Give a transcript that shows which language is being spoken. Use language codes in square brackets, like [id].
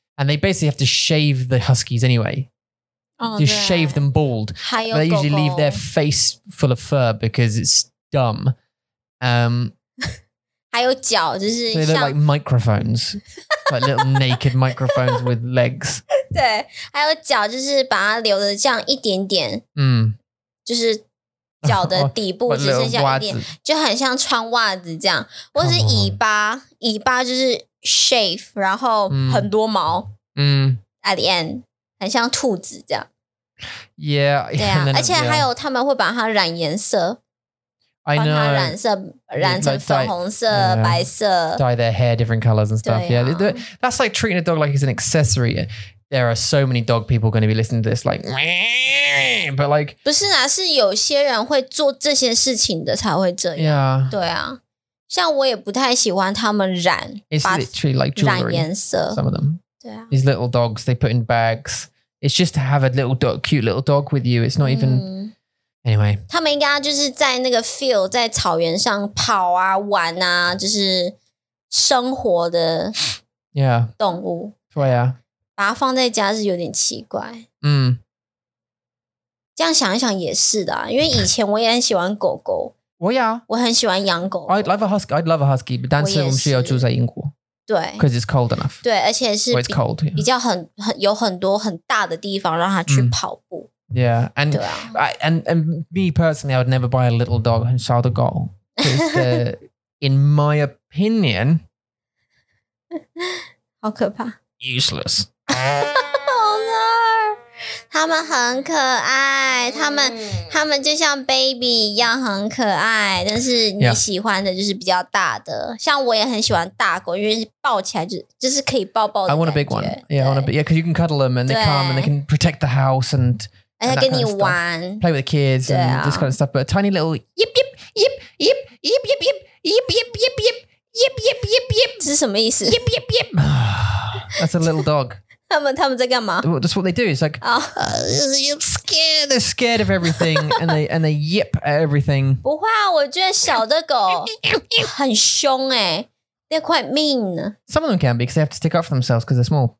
[en] And they basically have to shave the huskies anyway. Just shave them bald. They usually leave their face full of fur because it's dumb. [zh] 还有脚，就是 [en] they look like microphones, like little naked microphones with legs. [zh] 对，还有脚，就是把它留的这样一点点，嗯，就是脚的底部只剩下一点，就很像穿袜子这样，或是尾巴，尾巴就是 shave， 然后很多毛，嗯， [en] at the end， [zh] 很像兔子这样。 [en] Yeah， [zh] 而且还有他们会把它染颜色。 [en] I know. [zh] 帮他染色，染成粉红色、白色。 [en] Dye their hair different colors and stuff. Yeah, that's like treating a dog like it's an accessory. There are so many dog people going to be listening to this, like, but like. [zh] 不是啊，是有些人会做这些事情的才会这样。 [en] Yeah. [zh] 对啊，像我也不太喜欢他们染。 [en] It's literally like jewelry. [zh] 染颜色。 [en] Some of them. [zh] 对啊。 [en] These little dogs, they put in bags. It's just to have a little dog, cute little dog with you. It's not even. Anyway, [zh] 他们应该就是在那个 field 在草原上跑啊玩啊，就是生活的 [en] yeah [zh] 动物。对啊，把它放在家是有点奇怪。嗯，这样想一想也是的、啊，因为以前我也很喜欢狗狗。我呀，我很喜欢养狗。 [en] I'd love a husky. I'd love a husky, but [zh] 但是我们需要住在英国。对 [en] ，because it's cold enough. [zh] 对，而且是 [en] it's cold, yeah. [zh] 比较很有很多很大的地方让它去跑步。嗯 [en] Yeah, and, I, and me personally, I would never buy a little dog and shout a goal. In my opinion, [zh] 好可怕 [en] useless. Oh no! [zh] 他们很可爱，他们就像 baby 一样很可爱，但是你喜欢的就是比较大的。像我也很喜欢大狗，因为抱起来就是可以抱抱的感觉。 [en] I want a big one. Yeah, I want a big, yeah, because you can cuddle them and they come and they can protect the house and... And that kind of stuff. Play with the kids and this kind of stuff. But a tiny little yip, yip, yip, yip, yip, yip, yip, yip, yip, yip, yip, yip, yip, yip, yip. [zh] 是什么意思? [en] Yip, yip, yip. That's a little dog. [zh] 他们在干嘛? [en] That's what they do. It's like, you're scared. They're scared of everything. and they yip at everything. [zh] 不会啊,我觉得小的狗很凶耶。 [en] They're quite mean. Some of them can be because they have to stick up for themselves because they're small.